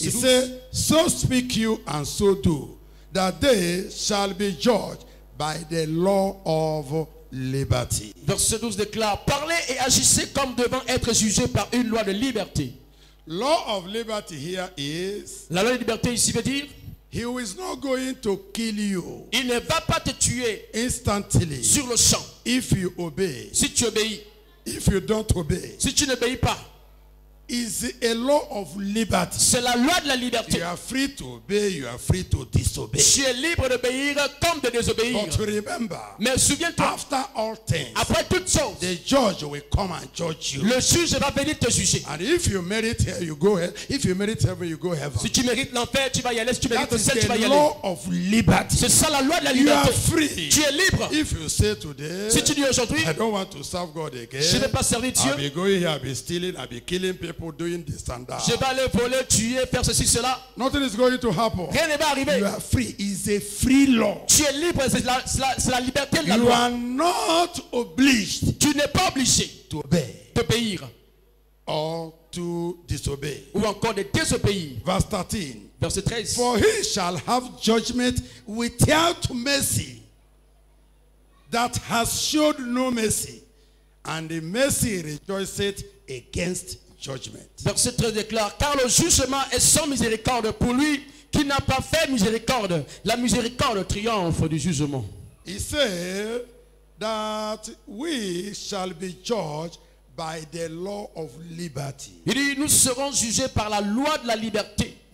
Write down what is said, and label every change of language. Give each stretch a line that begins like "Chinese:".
English: He said, so speak you and so do, that they shall be judged by the law of liberty.
French: Verset 12 déclare, parlez et agissez comme devant être jugés par une loi de liberté.
English: Law of liberty here is,
French: la loi de liberté ici veut dire,
English: he who is not going to kill you,
French: il ne va pas te tuer
English: instantly,
French: sur le champ,
English: if you obey,
French: si tu obéis,
English: if you don't obey,
French: si tu n'obéis pas,
English: is a law of liberty.
French: C'est la loi de la liberté.
English: You are free to obey, you are free to disobey.
French: Tu es libre d'obéir comme de désobéir.
English: But remember,
French: mais souviens-toi,
English: after all things,
French: après toutes choses,
English: the judge will come and judge you.
French: Le juge va venir te juger.
English: And if you merit here, you go hell. If you merit heaven, you go heaven.
French: Si tu mérites l'enfer, tu vas y aller. Si tu mérites le ciel, tu vas y aller.
English: That is the law of liberty.
French: C'est ça la loi de la liberté.
English: You are free.
French: Tu es libre.
English: If you say today,
French: si tu dis aujourd'hui,
English: I don't want to serve God again,
French: je ne vais pas servir Dieu,
English: I'll be going here, I'll be stealing, I'll be killing people, doing the standard,
French: je vais aller voler, tuer, faire ceci, cela,
English: nothing is going to happen,
French: rien ne va arriver.
English: You are free. It's a free law.
French: Tu es libre. C'est la liberté de la
English: you
French: loi.
English: Are not obliged,
French: tu n'es pas obligé
English: to obey,
French: d'obéir,
English: or to disobey,
French: ou encore de désobéir.
English: Verse 13.
French: Verset 13.
English: For he shall have judgment without mercy that has showed no mercy, and the mercy rejoiceth against judgment.
French: Verset 13 déclare, car le jugement est sans miséricorde pour lui qui n'a pas fait miséricorde. La miséricorde triomphe du jugement.
English: He said that we shall be judged by the law of liberty.
French: Il dit, nous serons jugés par la loi de la liberté.